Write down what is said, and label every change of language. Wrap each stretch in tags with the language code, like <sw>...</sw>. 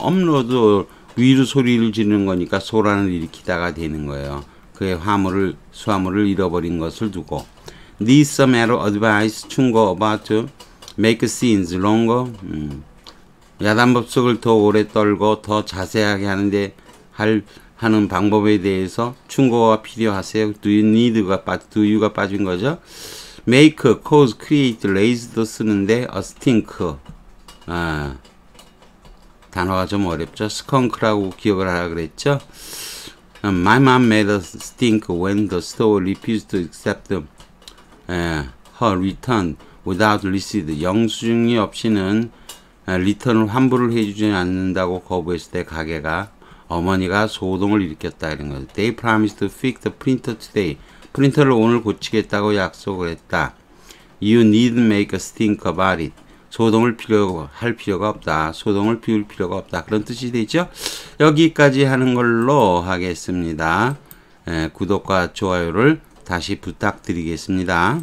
<ko>uproar도 위로 소리를 지르는 거니까 소란을 일으키다가 되는 거예요. 그의 화물을, 수화물을 잃어버린 것을 두고.</ko> <en>need some medical advice</en> <ko>충고</ko> <en>about to make scenes longer</en> <ko>야단 법석을 더 오래 떨고 더 자세하게 하는데 하는 방법에 대해서 충고가 필요하세요.</ko> <en>Do you need</en> <ko>가 do you가 빠진 거죠.</ko> <en>Make, cause, create, raise</en> <ko>도 쓰는데</ko> <en>a stink</en> <ko>단어가 좀 어렵죠. Skunk라고 기억을 하라 그랬죠.</ko> <en>My mom made a stink when the store refused to accept her return without receipt.</en> <ko>영수증이 없이는 리턴을 환불을 해주지 않는다고 거부했을 때 가게가 어머니가 소동을 일으켰다 이런 거죠.</ko> <en>They promised to fix the printer today.</en> <ko>프린터를 오늘 고치겠다고 약속을 했다.</ko> <en>You need make a stink about it.</en> <ko>소동을 할 필요가 없다. 소동을 피울 필요가 없다. 그런 뜻이 되죠. 여기까지 하는 걸로 하겠습니다. 구독과 좋아요를 다시 부탁드리겠습니다.</ko>